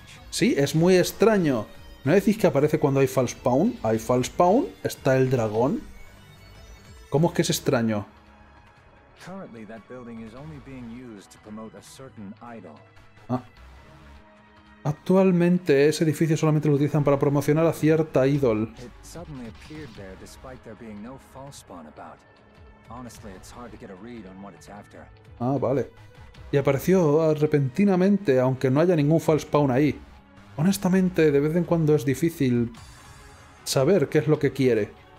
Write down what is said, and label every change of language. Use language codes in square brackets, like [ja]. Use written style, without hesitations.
[es] Sí, es muy extraño. ¿No decís que aparece cuando hay Falspawn? ¿Hay Falspawn? ¿Está el dragón? ¿Cómo es que es extraño? [en] Currently, that building is only being used to promote a certain idol. Ah. [es] Actualmente ese edificio solamente lo utilizan para promocionar a cierta ídol. [en] It suddenly appeared there despite there being no false spawn about. Honestly, it's hard to get a read on what it's after. [es] Ah, vale. Y apareció repentinamente, aunque no haya ningún false spawn ahí. Honestamente, de vez en cuando es difícil saber qué es lo que quiere.